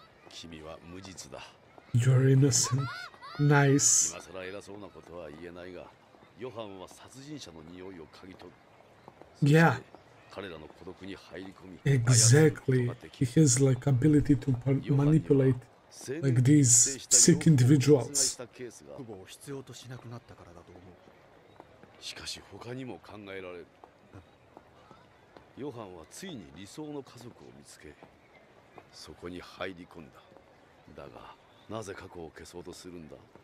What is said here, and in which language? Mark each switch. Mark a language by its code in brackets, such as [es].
[ja] 君は無実だ。 [en] You're innocent. Nice. [ja] 今更偉そうなことは言えないが、ヨハンは殺人者の匂いを嗅ぎ取る。 [en] Yeah. [ja] 彼らの孤独に入り込み、 [en] exactly. He has like ability to manipulate like these sick individuals. [ja] 父母を必要としなくなったからだと思う。しかし他にも考えられる。ヨハンはついに理想の家族を見つけ、そこに入り込んだ。だがなぜ過去を消そうとするんだ。